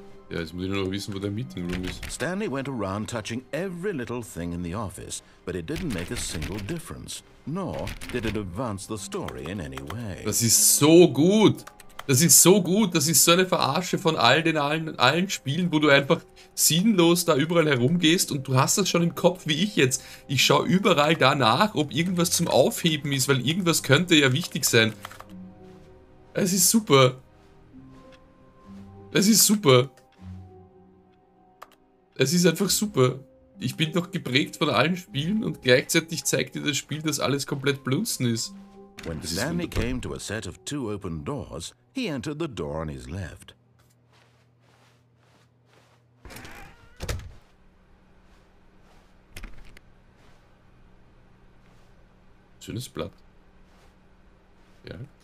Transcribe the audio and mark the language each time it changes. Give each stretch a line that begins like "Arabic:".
German: Ja, jetzt muss ich nur noch wissen, wo der Meeting Room ist.
English: Stanley went around touching every little thing in the office, but it didn't make a single difference, nor did it advance the story in any way.
German: Das ist so gut. Das ist so gut. Das ist so eine Verarsche von allen Spielen, wo du einfach sinnlos da überall herumgehst und du hast das schon im Kopf, wie ich jetzt. Ich schaue überall danach, ob irgendwas zum Aufheben ist, weil irgendwas könnte ja wichtig sein. Es ist super. Es ist super. Es ist einfach super. Ich bin doch geprägt von allen Spielen und gleichzeitig zeigt dir das Spiel, dass alles komplett Blödsinn ist.
English: When Stanley came to a set of two open doors, he entered the door on his left.
German: Schönes Blatt. Ja.